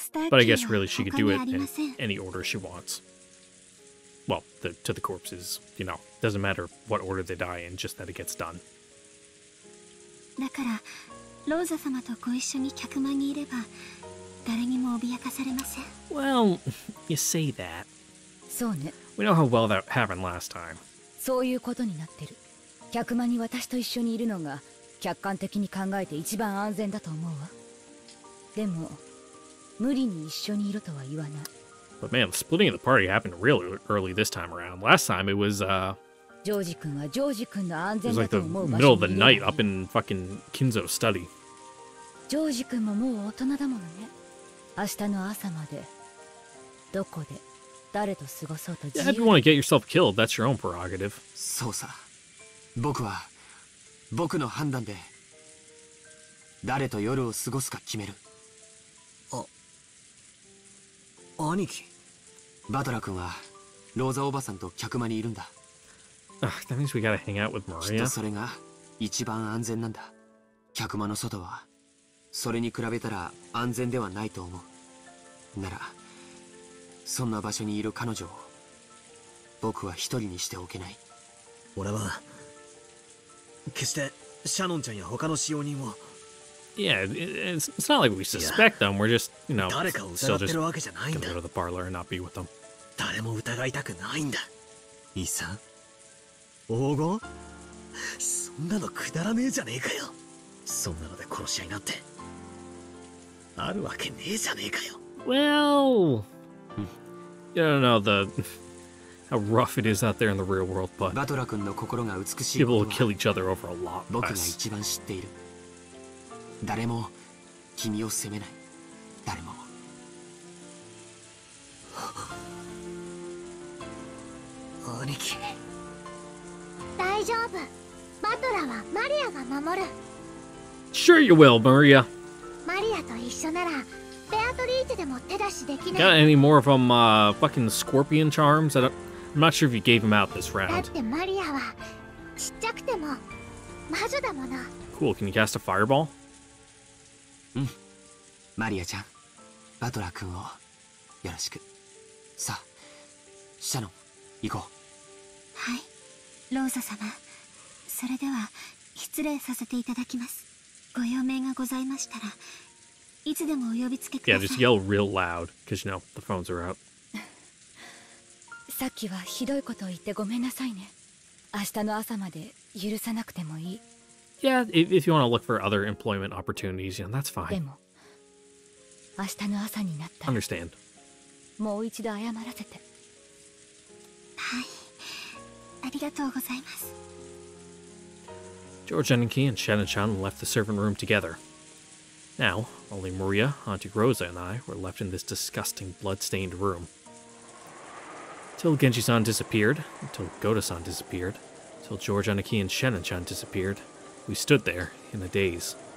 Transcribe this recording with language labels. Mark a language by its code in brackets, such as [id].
[en] But I guess really she could do it in any order she wants. Well, to the corpses, you know, doesn't matter what order they die in, just that it gets done. [ja] ローザ様とご一緒に客間にいれば誰にも脅かされません。 [en] Well, you say that. [ja] そうね。 [en] We know how well that happened last time. [ja] そういうことになってる。客間に私と一緒にいるのが客観的に考えて一番安全だと思うわ。でも無理に一緒にいるとは言わない。 [en] But man, the splitting of the party happened really early this time around. Last time it was, [ja] ジョージ君はジョージ君の安全だと思う場所にいる。 [en] It was like the middle of the night up in fucking Kinzo's study. [ja] ジョージ君ももう大人だものね。明日の朝までどこで誰と過ごそうと自由 [en] に。 Yeah, if you want to get yourself killed, that's your own prerogative. [ja] そうさ。僕は僕の判断で誰と夜を過ごすか決める。あ、兄貴。バトラ君はローザおばさんと客間にいるんだ。 [en] That means we gotta hang out with Maria. [ja] きっとそれが一番安全なんだ。客間の外はそれに比べたら安全ではないと思う。なら、そんな場所にいる彼女を僕は一人にしておけない。俺は決してシャノンちゃんや他の使用人を。 [en] Yeah, it's not like we suspect them. We're just, you know, [ja] 誰かを疑ってるわけじゃないんだ。 [en] Go to the parlor and not be with them. [ja] 誰も疑いたくないんだ。イサン。黄金？そんなのくだらねえじゃねえかよ。そんなので殺し合いなんてあるわけねえじゃねえかよ。 [en] Well, I don't know the how rough it is out there in the real world, but people will kill each other over a lot less. [ja] 僕が一番知っている。誰も君を責めない。誰も。兄貴。大丈夫。バトラはマリアが守る。 [en] Sure you will, Maria. [ja] マリアと一緒なら、ベアトリーチでも手出しできない。 [en] Got any more of them, fucking scorpion charms? I'm not sure if you gave them out this round. [ja] だってマリアはちっちゃくても魔女だもの。 [en] Cool, can you cast a fireball? [ja] うん。マリアちゃん、バトラ君をよろしく。さあ、シャノン、行こう。はい、ローザ様。それでは、失礼させていただきます。ご用命がございましたら、いつでもお呼びつけください。 [en] Yeah, just yell real loud, because you know, the phones are out. [ja] さっきはひどいことを言ってごめんなさいね。明日の朝まで許さなくてもいい。 [en] Yeah, if you want to look for other employment opportunities, you know, that's fine. [ja] でも、明日の朝になったら、 [en] Understand. [ja] もう一度謝らせて。はい、ありがとうございます。 [en] George Enenki and Shannon Chan left the servant room together. Now, only Maria, Auntie Rosa, and I were left in this disgusting, blood-stained room. Till Genji-san disappeared, until Goda-san disappeared, till George Enenki and Shannon Chan disappeared, we stood there in a daze.